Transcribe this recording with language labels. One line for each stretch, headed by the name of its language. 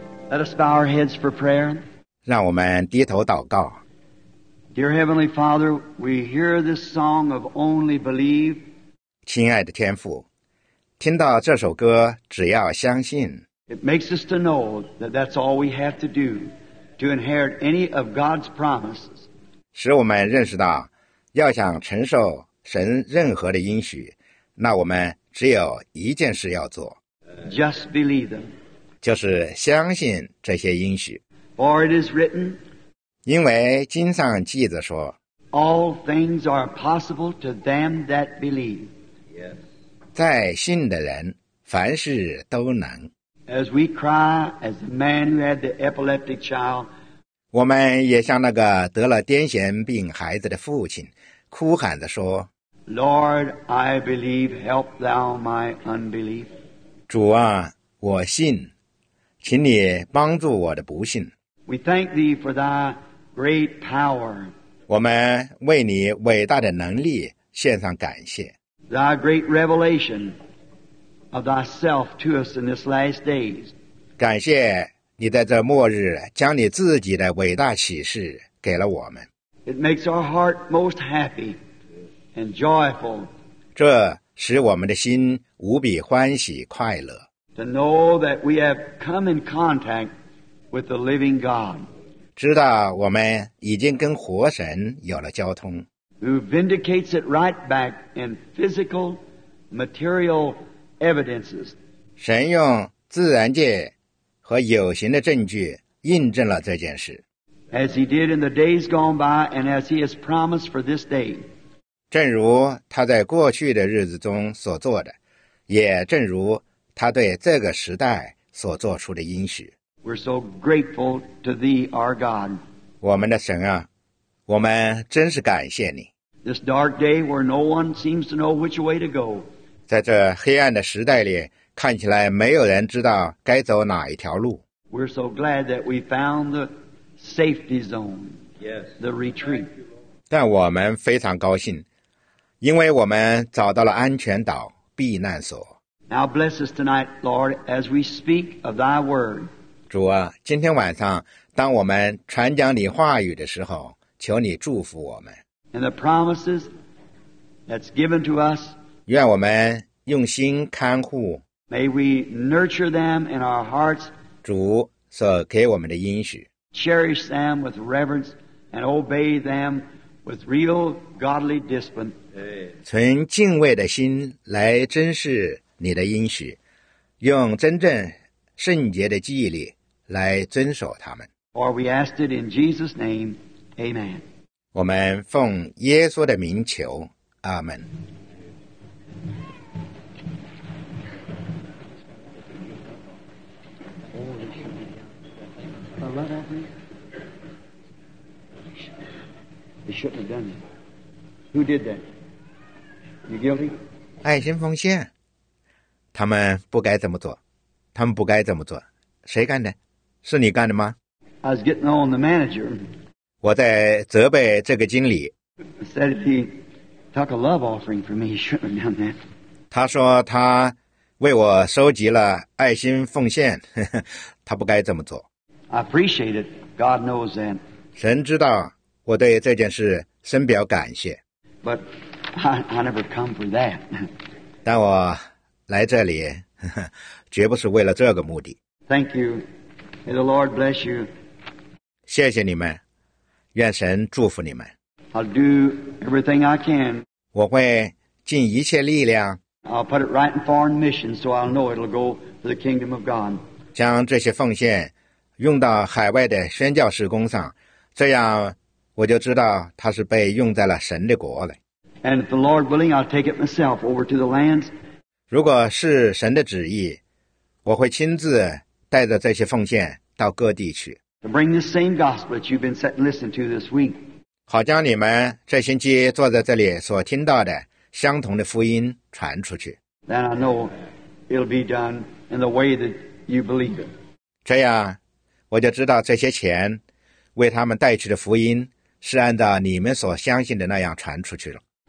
English: Let us bow our heads for prayer.
Chinese: 让我们低头祷告。
English: Dear Heavenly Father, we hear this song of only believe.
Chinese: 亲爱的天父，听到这首歌只要相信。
English: It makes us to know that that's all we have to do to inherit any of God's promises.
Chinese: 使我们认识到，要想承受神任何的应许，那我们只有一件事要做。
English: Just believe them.
Chinese: 就是相信这些应许。
English: For it is written,
Chinese: 因为经上记着说，
English: All things are possible to them that believe. Yes.
Chinese: 在信的人，凡事都能。
English: As we cry, as the man who had the epileptic child,
Chinese: 我们也像那个得了癫痫病孩子的父亲，哭喊着说，
English: Lord, I believe, help thou my unbelief.
Chinese: 主啊，我信，请你帮助我的不信。
English: We thank thee for thy great power.
Chinese: 我们为你伟大的能力献上感谢。
English: Thy great revelation. Of thyself to us in this last days.
Chinese: 感谢你在这末日将你自己的伟大启示给了我们。
English: It makes our heart most happy and joyful.
Chinese: 这使我们的心无比欢喜快乐。
English: To know that we have come in contact with the living God.
Chinese: 知道我们已经跟活神有了交通。
English: Who vindicates it right back in physical, material. Evidences.
Chinese: 神用自然界和有形的证据印证了这件事。
English: As he did in the days gone by and as he has promised for this day.
Chinese: 正如他在过去的日子中所做的，也正如他对这个时代所做出的应许。
English: We're so grateful to thee, our God.
Chinese: 我们的神啊，我们真是感谢你。
English: This dark day where no one seems to know which way to go.
Chinese: 在这黑暗的时代里，看起来没有人知道该走哪一条路。
English: We're so glad that we found the safety zone, yes, the retreat.
Chinese: 但我们非常高兴，因为我们找到了安全岛、避难所。
English: Now bless us tonight, Lord, as we speak of Thy word.
Chinese: 主啊，今天晚上当我们传讲你话语的时候，求你祝福我们。
English: And the promises that's given to us.
Chinese: 愿我们用心看护。
English: May we nurture them in our hearts.
Chinese: 主所给我们的应许。
English: Cherish them with reverence and obey them with real godly discipline.
Chinese: 存敬畏的心来珍视你的应许，用真正圣洁的纪律来遵守他们。
English: For we ask it in Jesus' name, Amen.
Chinese: 我们奉耶稣的名求，阿门。
English: They shouldn't have done that. Who did that? You guilty?
Chinese: 爱心奉献。他们不该这么做。他们不该这么做。谁干的？是你干的吗？
English: I was getting on the manager.
Chinese: 我在责备这个经理。
English: I said if he took a love offering for me, he shouldn't have done that.
Chinese: 他说他为我收集了爱心奉献，他不该这么做。
English: I appreciate it. God knows that.
Chinese: 神知道我对这件事深表感谢。
English: But I never come for that.
Chinese: 但我来这里，绝不是为了这个目的。
English: Thank you. May the Lord bless you.
Chinese: 谢谢你们，愿神祝福你们。
English: I'll do everything I can.
Chinese: 我会尽一切力量。
English: I'll put it right in foreign missions so I'll know it'll go to the kingdom of God.
Chinese: 将这些奉献用到海外的宣教事工上，这样我就知道它是被用在了神的国了。
English: And if the Lord willing, I'll take it myself over to the lands.
Chinese: 如果是神的旨意，我会亲自带着这些奉献到各地去。
English: To bring the same gospel that you've been sitting listening to this week.
Chinese: 好将你们这星期坐在这里所听到的相同的福音传出去。
English: Then I know it'll be done in the way that you believe it.
Chinese: 这样我就知道这些钱为他们带去的福音是按照你们所相信的那样传出去了。